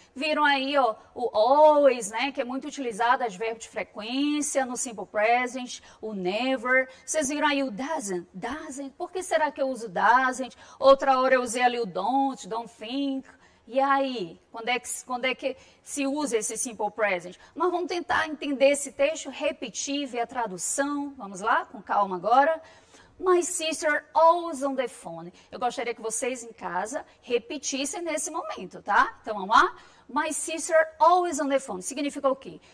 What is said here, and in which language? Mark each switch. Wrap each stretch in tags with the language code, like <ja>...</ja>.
<pt>Viram aí ó, o always, né, que é muito utilizado, as verbos de frequência no simple present, o never. Vocês viram aí o doesn't? Doesn't? Por que será que eu uso doesn't? Outra hora eu usei ali o don't think. E aí, quando é que se usa esse simple present? Nós vamos tentar entender esse texto, repetir, ver a tradução. Vamos lá, com calma agora.</pt> <en>My sister always on the phone.</en> <pt>Eu gostaria que vocês em casa repetissem nesse momento, tá? Então, vamos lá.</pt> <en>My sister always on the phone.</en> <pt>Significa o quê?</pt>